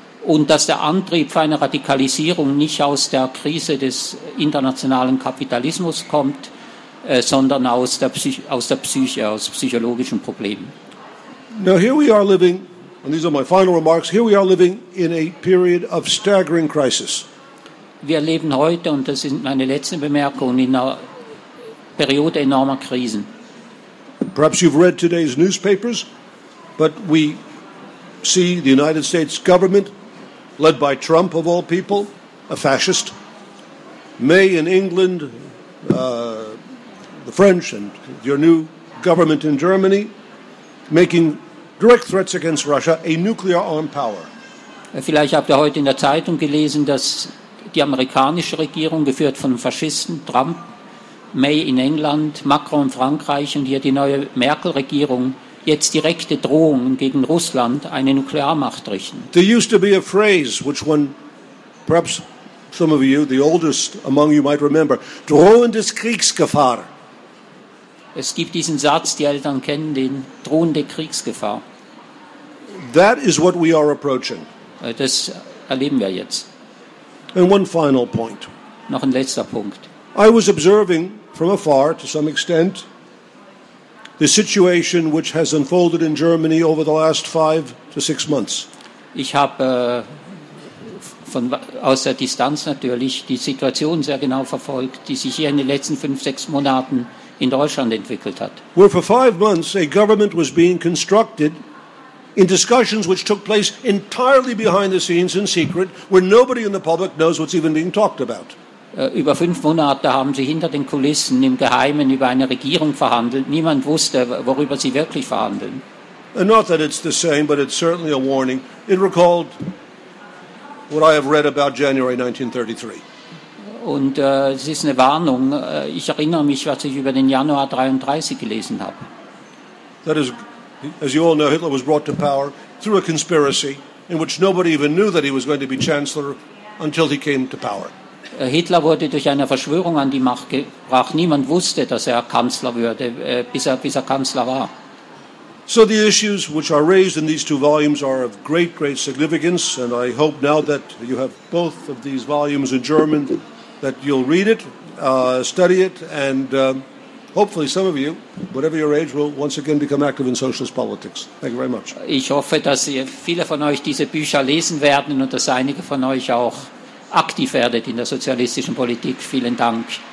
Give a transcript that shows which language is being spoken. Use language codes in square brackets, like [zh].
[de] Und dass der Antrieb für eine Radikalisierung nicht aus der Krise des internationalen Kapitalismus kommt, sondern aus psychologischen Problemen. [en] Now here we are living, and these are my final remarks, here we are living in a period of staggering crisis. [de] Wir leben heute, und das sind meine letzten Bemerkungen, in einer Periode enormer Krisen. [en] Perhaps you've read today's newspapers, but we see the United States government, led by Trump of all people, a fascist. May in England, the French, and your new government in Germany, making direct threats against Russia, a nuclear-armed power. [de] Vielleicht habt ihr heute in der Zeitung gelesen, dass die amerikanische Regierung, geführt von Faschisten, Trump, May in England, Macron in Frankreich und hier die neue Merkel-Regierung, jetzt direkte Drohungen gegen Russland, eine Nuklearmacht richten. [en] There used to be a phrase, which one, perhaps some of you, the oldest among you might remember, [de] drohendes Kriegsgefahr. Es gibt diesen Satz, die Eltern kennen den, drohende Kriegsgefahr. [en] That is what we are approaching. [de] Das erleben wir jetzt. [en] And one final point. [de] Noch ein letzter Punkt. [en] I was observing from afar, to some extent, the situation which has unfolded in Germany over the last 5 to 6 months. [de] Ich habe aus der Distanz natürlich die Situation sehr genau verfolgt, die sich hier in den letzten 5-6 Monaten in Deutschland entwickelt hat. [en] Where for 5 months a government was being constructed in discussions which took place entirely behind the scenes in secret, where nobody in the public knows what's even being talked about. [de] Über 5 Monate haben sie hinter den Kulissen im Geheimen über eine Regierung verhandelt. Niemand wusste, worüber sie wirklich verhandeln. [en] And not that it's the same, but it's certainly a warning. It recalled what I have read about January 1933. [de] Und es ist eine Warnung. Ich erinnere mich, was ich über den Januar 33 gelesen habe. [en] That is, as you all know, Hitler was brought to power through a conspiracy in which nobody even knew that he was going to be Chancellor until he came to power. [de] Hitler wurde durch eine Verschwörung an die Macht gebracht. Niemand wusste, dass er Kanzler würde, bis er Kanzler war. [en] So the issues which are raised in these two volumes are of great, great significance, and I hope now that you have both of these volumes in German that you'll read it, study it, and hopefully some of you, whatever your age, will once again become active in socialist politics. Thank you very much. [de] Ich hoffe, dass viele von euch diese Bücher lesen werden und dass einige von euch auch aktiv werdet in der sozialistischen Politik. Vielen Dank.